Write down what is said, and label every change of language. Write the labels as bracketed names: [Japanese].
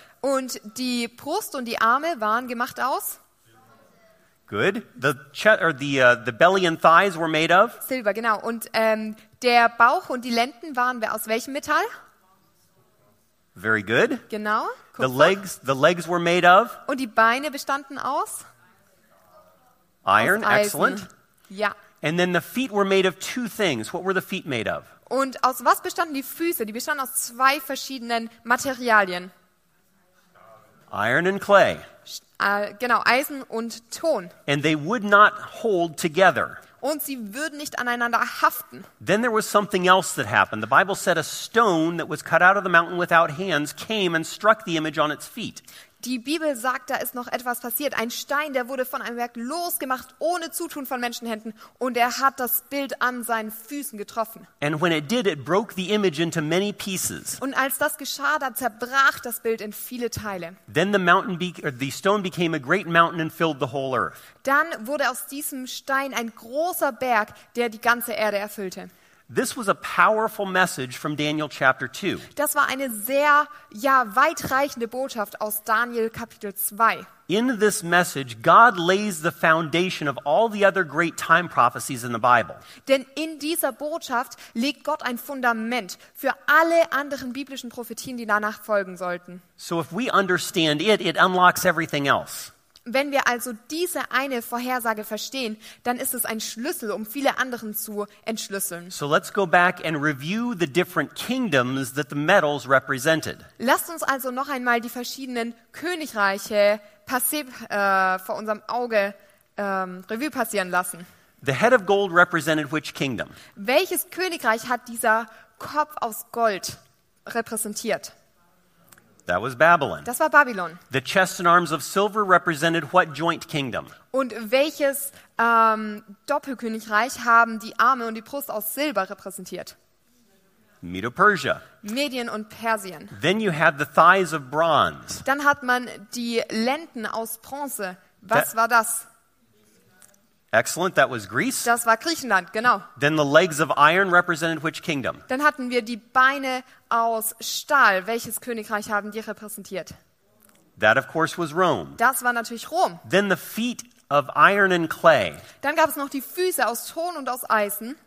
[German] Und die Brust und die Arme waren gemacht aus? [English] Good. The belly and thighs were made of? [German] Silber, genau. Und der Bauch und die Lenden waren aus welchem Metall? [English] Very good. [German] Genau. [English] The legs were made of? [German] Und die Beine bestanden aus? [English] Iron, [German] aus Eisen. [English] Excellent. [German] Ja. [English] And then the feet were made of two things. What were the feet made of? [German] Und aus was bestanden die Füße? Die bestanden aus zwei verschiedenen Materialien. [English] Iron and clay. [German] Genau, Eisen und Ton. [English] And they would not hold together. [German] Und sie würden nicht aneinander haften. [English] Then there was something else that happened. The Bible said a stone that was cut out of the mountain without hands came and struck the image on its feet. [German] Die Bibel sagt, da ist noch etwas passiert. Ein Stein, der wurde von einem Werk losgemacht, ohne Zutun von Menschenhänden, und er hat das Bild an seinen Füßen getroffen. [English] And when it did, it broke the image into many pieces. [German] Und als das geschah, da zerbrach das Bild in viele Teile. [English] Then the stone became a great mountain and filled the whole earth. [German] Dann wurde aus diesem Stein ein großer Berg, der die ganze Erde erfüllte. [English] This was a powerful message from Daniel chapter 2. [German] Das war eine sehr weitreichende Botschaft aus Daniel Kapitel 2. [English] In this message, God lays the foundation of all the other great time prophecies in the Bible. [German] Denn in dieser Botschaft legt Gott ein Fundament für alle anderen biblischen Prophetien, die danach folgen sollten. [English] So if we understand it, it unlocks everything else. [German] Wenn wir also diese eine Vorhersage verstehen, dann ist es ein Schlüssel, um viele anderen zu entschlüsseln. [English] So let's go back and review the different kingdoms that the metals represented. [German] Lasst uns also noch einmal die verschiedenen Königreiche vor unserem Auge Revue passieren lassen. [English] The head of gold represented which kingdom? [German] Welches Königreich hat dieser Kopf aus Gold repräsentiert? [English] That was Babylon. [German] Das war Babylon. [English] The chest and arms of silver represented what joint kingdom? [German] Und welches Doppelkönigreich haben die Arme und die Brust aus Silber repräsentiert? [English] Medo-Persia. [German] Medien und Persien. [English] Then you had the thighs of bronze. [German] Dann hat man die Lenden aus Bronze. Was war das? [English] Excellent, that was Greece. [German] Das war Griechenland, genau. [English] Then the legs of iron represented which kingdom? [German] Dann hatten wir die Beine aus Stahl. Welches Königreich haben die repräsentiert? [English] That of course was Rome. [German] Das war natürlich Rom. [English] Then the feet of iron and clay. [German] Dann gab es noch die Füße aus Ton und aus Eisen.